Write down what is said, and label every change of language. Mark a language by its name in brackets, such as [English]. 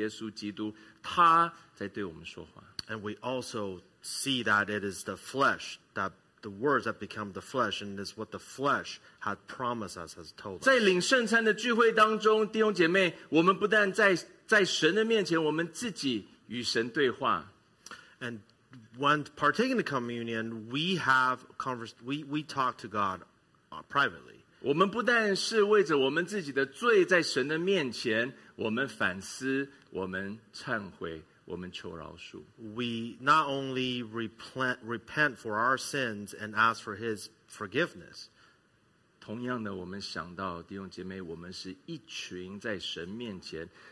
[Chinese] 也是这位神的话语成为肉身的这位主耶稣基督，他在对我们说话。 [English] And we also see that it is the flesh, that the words have become the flesh, and is what the flesh had promised us, has told us. [Chinese] 在领圣餐的聚会当中，弟兄姐妹，我们不但在 在神的面前，我们自己与神对话。 [English] And when partaking the communion, we have we talk to God privately. [Chinese] 我们不但是为着我们自己的罪在神的面前，我们反思，我们忏悔，我们求饶恕。 [English] We not only repent for our sins and ask for His forgiveness. [Chinese] 同样的，我们想到弟兄姐妹，我们是一群在神面前。